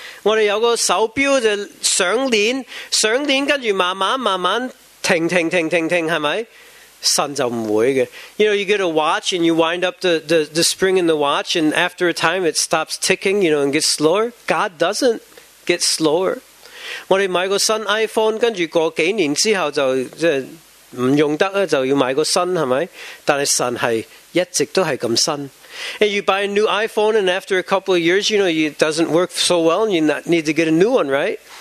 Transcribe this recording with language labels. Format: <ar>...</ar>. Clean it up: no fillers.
<yue>我们有个手表就上链，上链跟住慢慢停停停停停，系咪？神就唔会嘅。</yue> <en>You know, you get a watch and you wind up the spring in the watch, and after a time it stops ticking, you know, and gets slower. God doesn't get slower.</en> <yue>我们买个新 iPhone， 跟住过几年之后就唔用得啦，就要买个新，系咪？但系神系一直都系咁新。</yue> <en>And you buy a new iPhone, and after a couple of years, you know, it doesn't work so well, and you need to get a new one, right?</en>